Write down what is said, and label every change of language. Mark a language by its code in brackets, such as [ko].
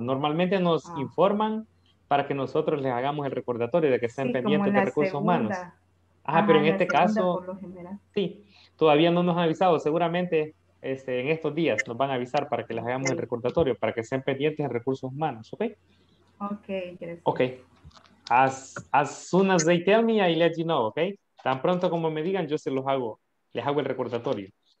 [es] Normalmente nos informan para que nosotros les hagamos el recordatorio de que estén pendientes de recursos humanos. Ajá, pero en este caso, sí, todavía no nos han avisado. Seguramente en estos días nos van a avisar para que les hagamos el recordatorio, para que sean pendientes de recursos humanos, ¿ok? Ok, gracias. Ok. [en] As soon as they tell me, I let you know, ¿ok? [es] Tan pronto como me digan, yo se los hago, les hago el recordatorio.